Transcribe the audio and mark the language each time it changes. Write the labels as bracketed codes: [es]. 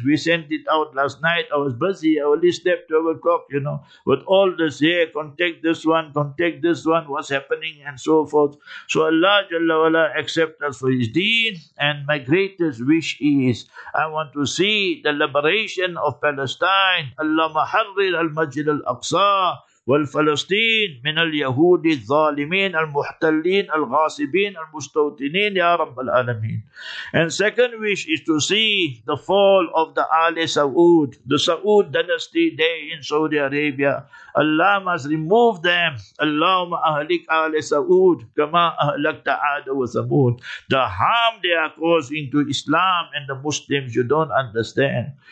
[en] We sent it out last night. I was busy. I only slept 12 o'clock, you know, with all this here, contact this one, what's happening, and so forth. So Allah Jalla Wala accept us for His deen, and my greatest wish is, I want to see the liberation of Palestine. [ar] Allah حرر المسجد الأقصى والفلسطين من اليهود الظالمين المحتلين الغاصبين المستوطنين يا رب العالمين. [en] And second wish is to see the fall of the Ali Saud, the Saud dynasty there in Saudi Arabia. Allah must remove them. [ar] Allahumma ahlik Ali Saud kama ahlakta Ad wa Thamud. [en] The harm they are causing to Islam and the Muslims, you don't understand.